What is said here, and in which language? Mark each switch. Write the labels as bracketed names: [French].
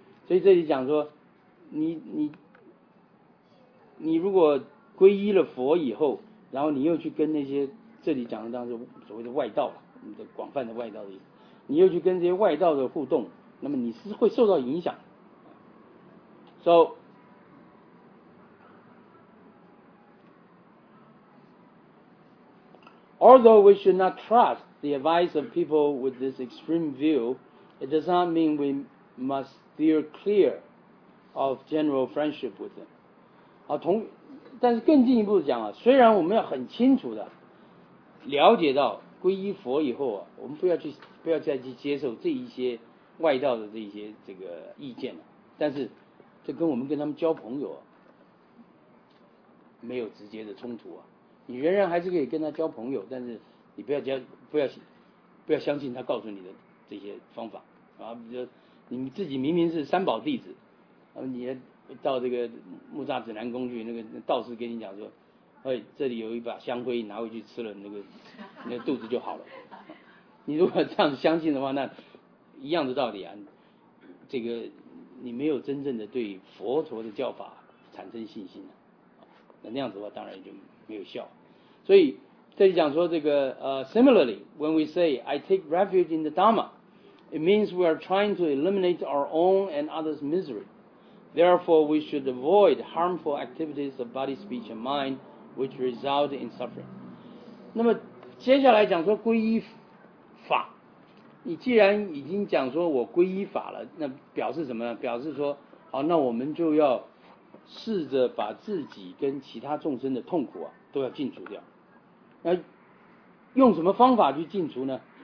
[Chinese] 所以这里讲说你如果皈依了佛以后，然后你又去跟那些这里讲的当时所谓的外道，你的广泛的外道的意思，你又去跟这些外道的互动，那么你是会受到影响。 [English] So although we should not trust the advice of people with this extreme viewIt does not mean we must steer clear of general friendship with them. [Chinese] 好，但是更进一步的讲啊，虽然我们要很清楚的了解到皈依佛以后啊，我们不要再去接受这一些外道的这一些这个意见了，但是这跟我们跟他们交朋友啊没有直接的冲突啊，你仍然还是可以跟他交朋友，但是你不要相信他告诉你的这些方法啊，比如你自己明明是三宝弟子，你到这个木栅指南宫去，那个道士跟你讲说，哎，这里有一把香灰，拿回去吃了，那个肚子就好了。你如果这样相信的话，那一样的道理啊，这个你没有真正的对佛陀的教法产生信心啊，那样子的话当然就没有效。所以这里讲说这个 [English] similarly, when we say I take refuge in the Dharma, it means we are trying to eliminate our own and others' misery. Therefore, we should avoid harmful activities of body, speech, and mind, which result in suffering. [Chinese] 那么接下来讲说皈依法，你既然已经讲说我皈依法了，那表示什么呢？表示说，好，那我们就要试着把自己跟其他众生的痛苦啊，都要净除掉。那用什么方法去净除呢？